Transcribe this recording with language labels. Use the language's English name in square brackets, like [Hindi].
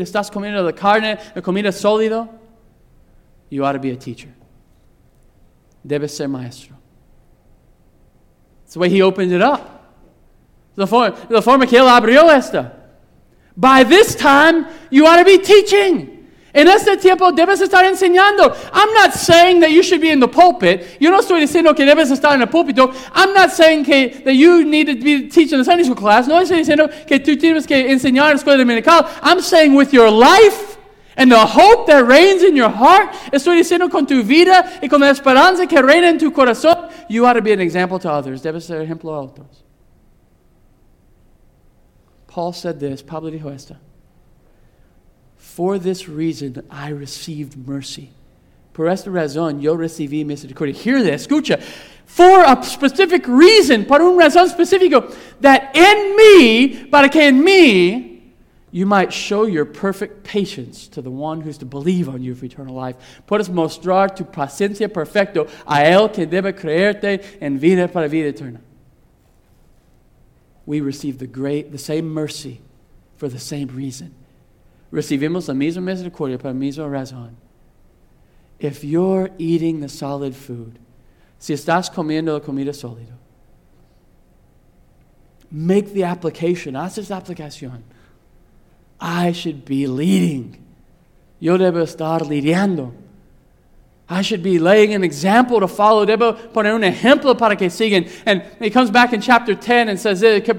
[Spanish] ¿Estás comiendo la carne, la comida sólida? [English] You ought to be a teacher. [Spanish] Debes ser maestro. [English] It's the way he opened it up. [Spanish] The forma que él abrió esta. [English] By this time, you ought to be teaching. [Spanish] En este tiempo, debes estar enseñando. [English] I'm not saying that you should be in the pulpit. [Spanish] Yo no estoy diciendo que debes estar en el púlpito. [English] I'm not saying that you need to be teaching the Sunday school class. [Spanish] No estoy diciendo que tú tienes que enseñar en la escuela dominical. [English] I'm saying with your life and the hope that reigns in your heart, [Spanish] estoy diciendo con tu vida y con la esperanza que reina en tu corazón, [English] you ought to be an example to others. [Spanish] Debes ser ejemplo a otros. [English] Paul said this, [Spanish] Pablo dijo esto. [English] For this reason, I received mercy. [Spanish] Por esta razón, yo recibí misericordia. [English] Hear this, [Spanish] escucha. [English] For a specific reason, [Spanish] por una razón específica, [English] that in me, [Spanish] para que en mí, [English] you might show your perfect patience to the one who is to believe on you for eternal life. [Spanish] Puedes mostrar tu paciencia perfecta a él que debe creerte en vida para vida eterna. [English] We receive the same mercy for the same reason. [Spanish] Recibimos la misma misericordia por la misma razón. [English] If you're eating the solid food, [Spanish] si estás comiendo la comida sólida, [English] make the application, [Spanish] haz esa aplicación. [English] I should be leading. [Spanish] Yo debo estar lidiando. [English] I should be laying an example to follow. [Spanish] Debo poner un ejemplo para que sigan. [English] And he comes back in chapter 10 and says this.